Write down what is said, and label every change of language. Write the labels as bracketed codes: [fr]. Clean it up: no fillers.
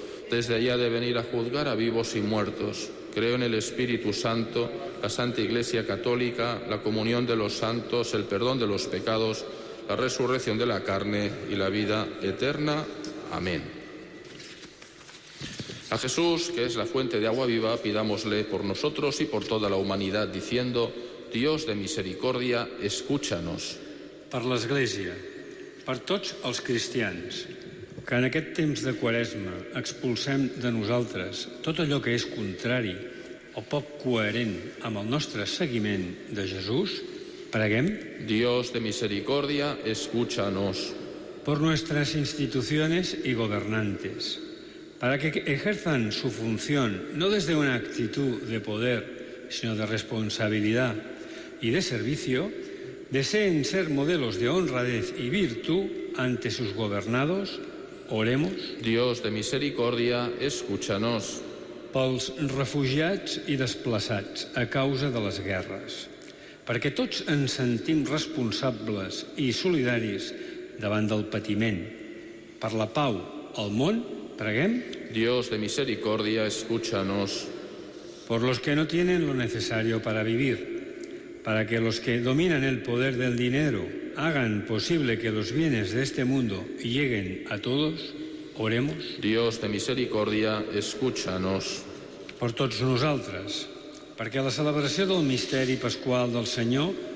[es] Desde allí ha de venir a juzgar a vivos y muertos. Creo en el Espíritu Santo, la Santa Iglesia Católica, la comunión de los santos, el perdón de los pecados, la resurrección de la carne y la vida eterna. Amén. A Jesús, que es la fuente de agua viva, pidámosle por nosotros y por toda la humanidad, diciendo, Dios de misericordia, escúchanos. [ca] Per l'Església, per tots els cristians, que en aquest temps de Quaresma expulsem de nosaltres tot allò que és contrari o poc coherent amb el nostre seguiment de Jesús, preguem. [es] Dios de misericordia, escúchanos. Por nuestras instituciones y gobernantes, para que ejerzan su función no desde una actitud de poder, sino de responsabilidad y de servicio, deseen ser modelos de honradez y virtud ante sus gobernados, oremos. Dios de misericordia, escúchanos. [ca] Pels refugiats i desplaçats a causa de les guerres, perquè tots ens sentim responsables i solidaris davant del patiment, per la pau al món, preguem. [es] Dios de misericordia, escúchanos. Por los que no tienen lo necesario para vivir, para que los que dominan el poder del dinero hagan posible que los bienes de este mundo lleguen a todos, oremos. Dios de misericordia, escúchanos. [ca] Por tots nosaltres, perquè la celebració del misteri pasqual del Senyor